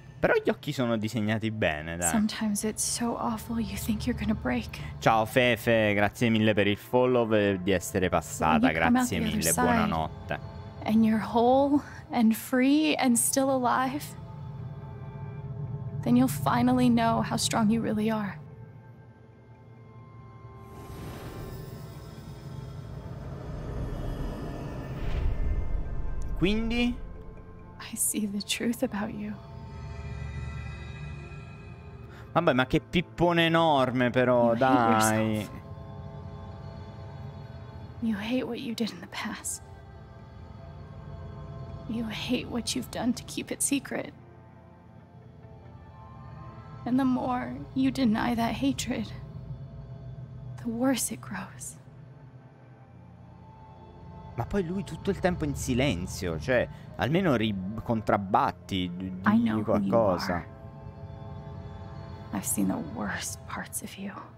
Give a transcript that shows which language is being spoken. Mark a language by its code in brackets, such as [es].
[it] Però gli occhi sono disegnati bene, dai. [en] Sometimes it's so awful you think you're gonna break. [it] Ciao Fefe, grazie mille per il follow e di essere passata, grazie mille, buonanotte. [en] And you're whole and free and still alive, then you'll finally know how strong you really are. [it] Quindi? [en] I see the truth about you. [it] Vabbè, ma che pippone enorme però, you dai. [en] You hate what you did in the past. You hate what you've done to keep it secret. And the more you deny that hatred, the worse it grows. [it] Ma poi lui tutto il tempo in silenzio, cioè, almeno contrabbatti di qualcosa. [en] I've seen the worst parts of you.